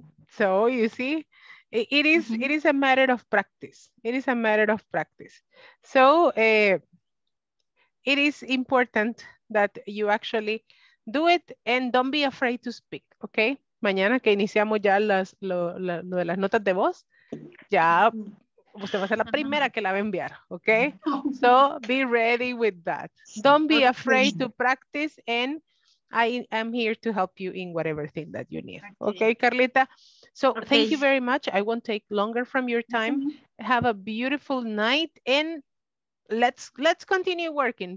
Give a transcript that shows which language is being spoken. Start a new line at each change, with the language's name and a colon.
English: So you see, it is a matter of practice. It is a matter of practice. So it is important that you actually do it and don't be afraid to speak, okay?
Spanish: Mañana que iniciamos ya lo de las notas de voz, ya usted va a ser la primera que la va a enviar, okay?
English: So be ready with that. Don't be afraid to practice, and I am here to help you in whatever thing that you need. Okay, Carlita? So thank you very much. I won't take longer from your time. Have a beautiful night, and let's continue working.